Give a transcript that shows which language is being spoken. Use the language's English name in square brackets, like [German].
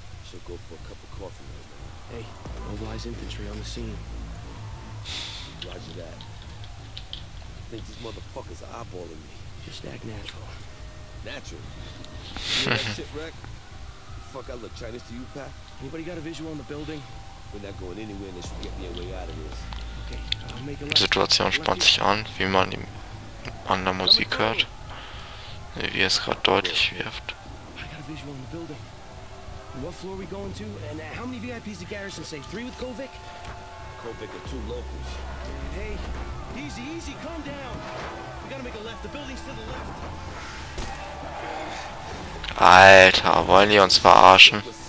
[English] So go for a cup of coffee right now. Hey, mobilize infantry on the scene. Roger that. I think these motherfuckers are eyeballing me. Just act natural. Natural? You hear that shit, wreck? The fuck I look Chinese to you, Pat? Anybody got a visual on the building? We're not going anywhere unless we get me a way out of this. Okay, I'll make a left. [German] Situation spannt sich an, wie man die an der Musik hört. Wie es gerade deutlich wirft. [English] I got a visual on the building. What floor are we going to? And how many VIPs did Garrison say? Three with Kovic? Kovic are two locals. Hey, easy, easy, calm down. We gotta make a left. The building's to the left. [German] Alter, wollen die uns verarschen?